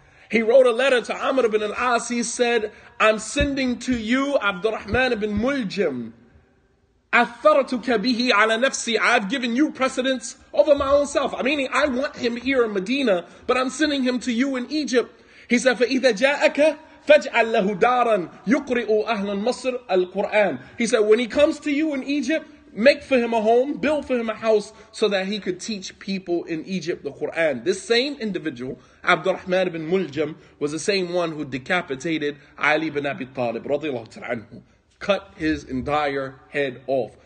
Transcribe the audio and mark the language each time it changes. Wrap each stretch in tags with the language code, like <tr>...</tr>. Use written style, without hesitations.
<en>He wrote a letter to Amr ibn al-As. He said, "I'm sending to you Abdurrahman ibn Muljam.</en> <ar>Atharatuka bihi ala nafsi.</ar> <en>I've given you precedence over my own self." I mean, I want him here in Medina, but I'm sending him to you in Egypt. He said,</en> <ar>"Fa'idha ja'aka فَاجْعَلْ لَهُ دَارًا يُقْرِئُ أَهْلَ الْمَصْرِ الْقُرْآنِ."</ar> <en>He said, "When he comes to you in Egypt, make for him a home, build for him a house, so that he could teach people in Egypt the Qur'an." This same individual, Abdurrahman ibn Muljam, was the same one who decapitated Ali ibn Abi Talib, radiallahu ta'ala anhu, cut his entire head off.</en>